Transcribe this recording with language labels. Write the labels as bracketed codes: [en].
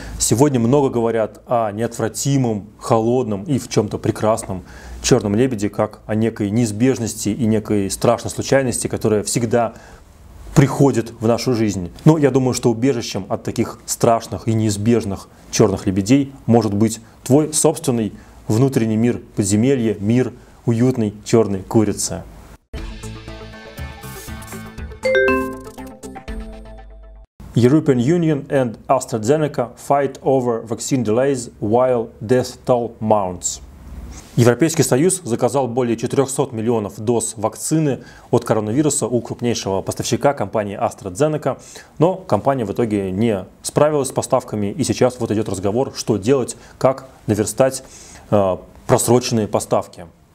[ru] Сегодня много говорят о неотвратимом, холодном и в чем-то прекрасном черном лебеде, как о некой неизбежности и некой страшной случайности, которая всегда приходит в нашу жизнь. Но я думаю, что убежищем от таких страшных и неизбежных черных лебедей может быть твой собственный внутренний мир подземелья, мир уютной черной курицы. [en] European Union and AstraZeneca fight over vaccine delays while death toll mounts. [ru] Европейский Союз заказал более 400 миллионов доз вакцины от коронавируса у крупнейшего поставщика компании AstraZeneca, но компания в итоге не справилась с поставками, и сейчас вот идет разговор, что делать, как наверстать просроченные поставки.